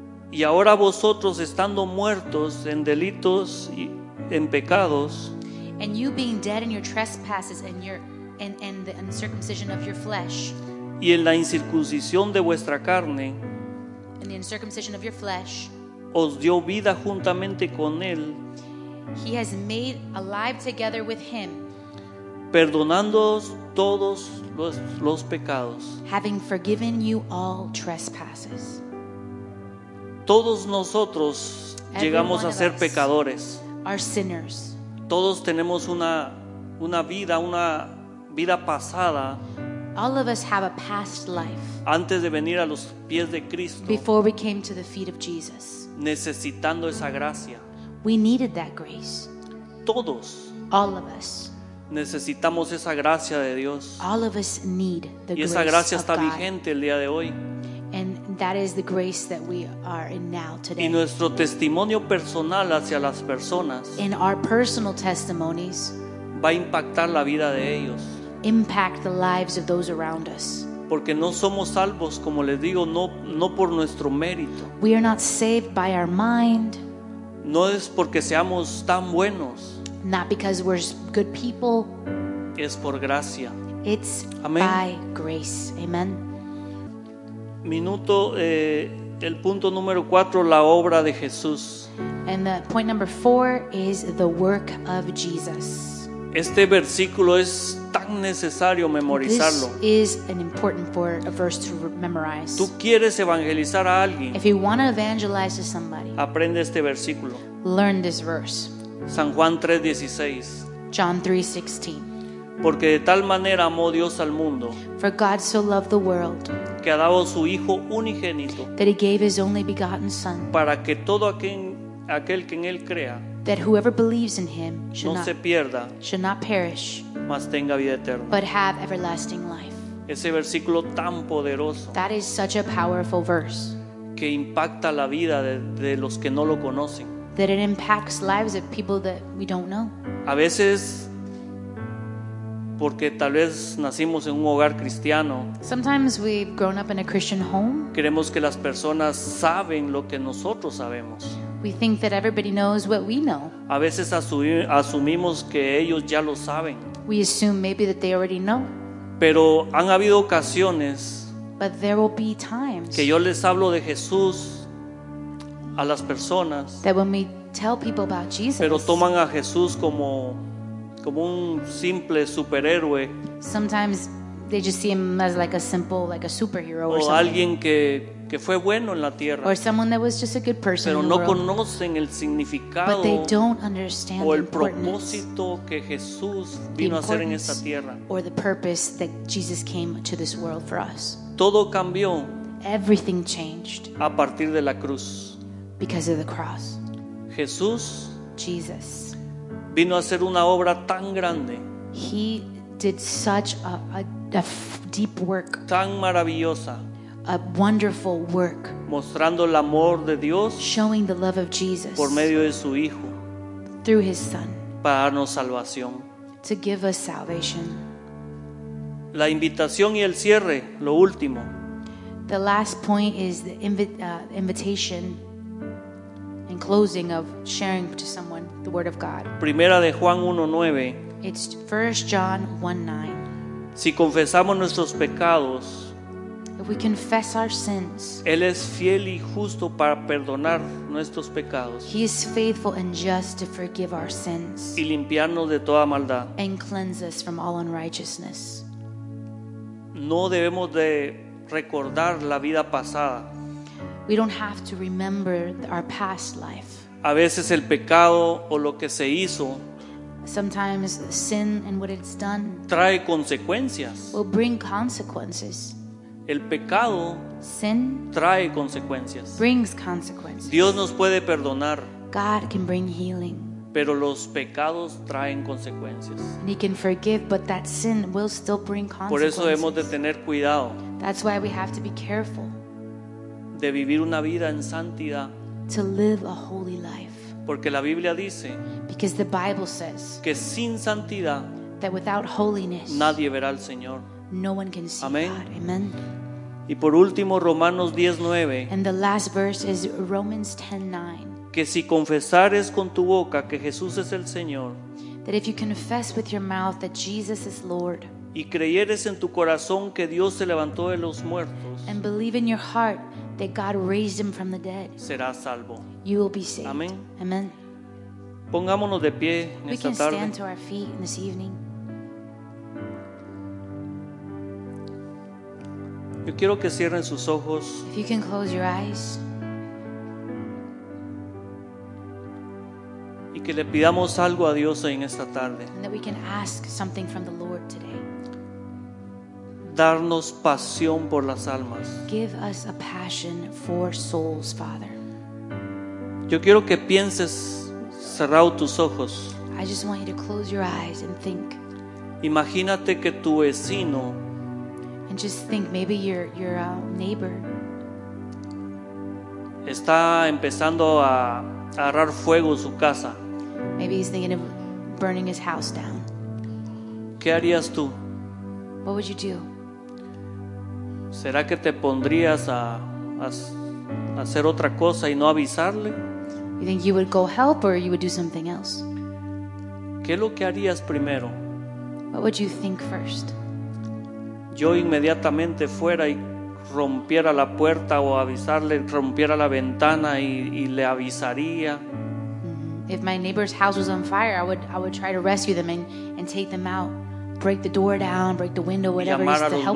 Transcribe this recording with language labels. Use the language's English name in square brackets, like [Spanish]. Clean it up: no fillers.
[Spanish] Y ahora vosotros estando muertos en delitos y en pecados, [English] and you being dead in your trespasses and your and the uncircumcision of your flesh, [Spanish] y en la incircuncisión de vuestra carne, [English] and the uncircumcision of your flesh, [Spanish] os dio vida juntamente con él, [English] he has made alive together with him, [Spanish] perdonándoos todos los pecados, [English] having forgiven you all trespasses. [Spanish] Todos nosotros llegamos a ser pecadores. [English] Are sinners. [Spanish] Todos tenemos una vida pasada. [English] All of us have a past life. [Spanish] Antes de venir a los pies de Cristo. [English] Before we came to the feet of Jesus. [Spanish] Necesitando esa gracia. [English] We needed that grace. [Spanish] Todos. [English] All of us. [Spanish] Necesitamos esa gracia de Dios. [English] All of us need the grace of God. [Spanish] Y esa gracia está vigente el día de hoy. [English] And that is the grace that we are in now today. [Spanish] Y nuestro testimonio personal hacia las personas. [English] In our personal testimonies. [Spanish] Va a impactar la vida de ellos. [English] Impact the lives of those around us. [Spanish] porque no somos salvos, como les digo, no por nuestro mérito. [English] We are not saved by our mind. [Spanish] No es porque seamos tan buenos. [English] Not because we're good people. [Spanish] Es por gracia. [English] It's Amén. By grace. Amen. [Spanish] Minuto, el punto número 4, la obra de Jesús. [English] And the point number 4 is the work of Jesus. [Spanish] Este versículo es tan necesario memorizarlo. [English] This is an important for a verse to memorize. [Spanish] Tú quieres evangelizar a alguien. [English] If you want to evangelize to somebody. [Spanish] Aprende este versículo. [English] Learn this verse. [Spanish] San Juan 3:16. [English] John 3:16. [Spanish] Porque de tal manera amó Dios al mundo. [English] For God so loved the world. [Spanish] Que ha dado su hijo unigénito. [English] That he gave his only begotten son. [Spanish] Para que todo aquel que en él crea. [English] That whoever believes in him should, no not, [Spanish] se pierda, [English] should not perish, [Spanish] mas tenga vida eterna, [English] but have everlasting life. [Spanish] Ese versículo tan poderoso, [English] that is such a powerful verse, [Spanish] que impacta la vida de los que no lo conocen, [English] that it impacts lives of people that we don't know. [Spanish] A veces, porque tal vez nacimos en un hogar cristiano, [English] sometimes we've grown up in a Christian home, [Spanish] creemos que las personas saben lo que nosotros sabemos. [English] We think that everybody knows what we know. [Spanish] A veces asumimos que ellos ya lo saben. [English] We assume maybe that they already know. [Spanish] Pero han habido ocasiones, [English] but there will be times, [Spanish] que yo les hablo de Jesús a las personas, [English] that when we tell people about Jesus, [Spanish] pero toman a Jesús como un simple superhéroe. [English] Sometimes they just see him as like a simple, like a superhero, [Spanish] o [English] or something. [Spanish] Alguien que fue bueno en la tierra, [English] or someone that was just a good person, [Spanish] pero [English] in [Spanish] no [English] the world. [Spanish] Conocen el significado, [English] but they don't understand, [Spanish] o el propósito que Jesús vino a hacer en esta tierra, [English] or the purpose that Jesus came to this world for us. [Spanish] Todo cambió, [English] everything changed, [Spanish] a partir de la cruz, [English] because of the cross. [Spanish] Jesús, [English] Jesus, [Spanish] vino a hacer una obra tan grande, [English] he did such a deep work, [Spanish] tan maravillosa, [English] a wonderful work, [Spanish] mostrando el amor de Dios, [English] showing the love of Jesus, [Spanish] por medio de su hijo, [English] through his son, [Spanish] para darnos salvación, [English] to give us salvation. [Spanish] La invitación y el cierre, lo último, [English] the last point is the invitation and closing of sharing to someone the word of God. [Spanish] Primera de Juan 1:9. [English] It's 1 John 1:9. [Spanish] Si confesamos nuestros pecados, [English] if we confess our sins, [Spanish] él es fiel y justo para perdonar nuestros pecados, [English] he is faithful and just to forgive our sins, [Spanish] y limpiarnos de toda maldad, [English] and cleanse us from all unrighteousness. [Spanish] No debemos de recordar la vida pasada. [English] We don't have to remember our past life. [Spanish] A veces el pecado o lo que se hizo, [English] sometimes sin and what it's done, [Spanish] trae consecuencias. [English] Will bring consequences. [Spanish] El pecado, [English] sin, [Spanish] trae consecuencias. [English] Brings consequences. [Spanish] Dios nos puede perdonar. [English] God can bring healing. [Spanish] Pero los pecados traen consecuencias. [English] And he can forgive, but that sin will still bring consequences. [Spanish] Por eso debemos de tener cuidado. [English] That's why we have to be careful. [Spanish] De vivir una vida en santidad. [English] To live a holy life. [Spanish] Porque la Biblia dice, [English] because the Bible says, [Spanish] que sin santidad, [English] that without holiness, [Spanish] nadie verá al Señor. [English] No one can see Amén. God. Amen. [Spanish] Y por último, Romanos 10:9. [English] And the last verse is Romans 10:9. [Spanish] Que si confesares con tu boca que Jesús es el Señor, [English] that if you confess with your mouth that Jesus is Lord, [Spanish] y creyeres en tu corazón que Dios se levantó de los muertos, [English] and believe in your heart that God raised him from the dead, [Spanish] serás salvo. [English] You will be saved. [Spanish] Amén. [English] Amen. [Spanish] Pongámonos de pie en esta tarde. [English] We can stand to our feet in this evening. [Spanish] Yo quiero que cierren sus ojos. [English] If you can close your eyes. [Spanish] Y que le pidamos algo a Dios en esta tarde. [English] And that we can ask something from the Lord today. [Spanish] Darnos pasión por las almas. [English] Give us a passion for souls, Father. [Spanish] Yo quiero que pienses, cerrado tus ojos. [English] I just want you to close your eyes and think. [Spanish] Imagínate que tu vecino, [English] and just think, maybe your neighbor, [Spanish] está empezando a agarrar fuego su casa. [English] Maybe he's thinking of burning his house down. [Spanish] ¿Qué harías tú? [English] What would you do? [Spanish] ¿Será que te pondrías a hacer otra cosa y no avisarle? [English] You think you would go help or you would do something else? [Spanish] ¿Qué es lo que harías primero? [English] What would you think first? [Spanish] Yo inmediatamente fuera y rompiera la puerta o avisarle, rompiera la ventana y le avisaría. [English] If my neighbor's house was on fire, I would try to rescue them and take them out, break the door down, break the window, whatever is to help